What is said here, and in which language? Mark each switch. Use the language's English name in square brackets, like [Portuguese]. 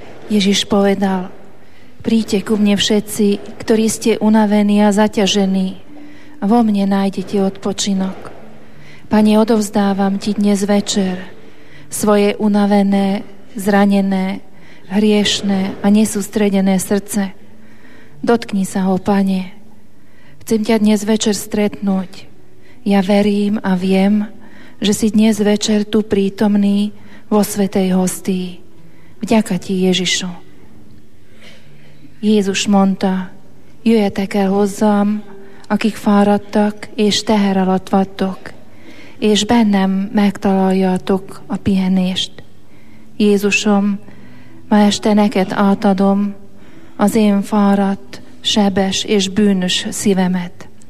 [Slovak] Ježiš povedal, príďte ku mne všetci, ktorí ste unavení a zaťažení. Vo mne nájdete odpočinok. Pane, odovzdávam Ti dnes večer svoje unavené, zranené, hriešné a nesústredené srdce. Dotkni sa ho, Pane. Chcem ťa dnes večer stretnúť. Ja verím a viem, že si dnes večer tu prítomný vo Svätej Hostii. Vďaka Ti, Ježišu. [Hungarian] Jézus mondta, jöjjetek el hozzám, akik fáradtak és teher alatt vattok, és bennem megtaláljátok a pihenést. Jézusom, ma este neked átadom az én fáradt, sebes és bűnös szívemet.